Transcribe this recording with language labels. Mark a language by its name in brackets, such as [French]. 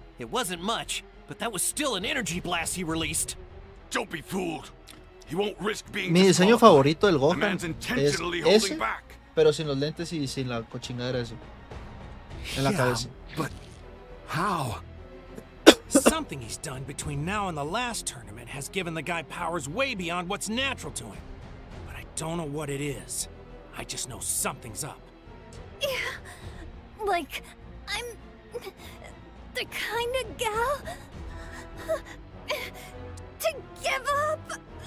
[English] It wasn't much, but that was still an energy blast he released. Don't be fooled. [Spanish] Mi diseño favorito del Gohan es ese, pero sin los lentes y sin la cochinadera eso. En la cabeza. [English] How? Something he's done between now and the last tournament has given the guy powers way beyond what's natural to him. But I don't know what it is. I just know something's up. Yeah. Like, I'm the kind of gal to give up.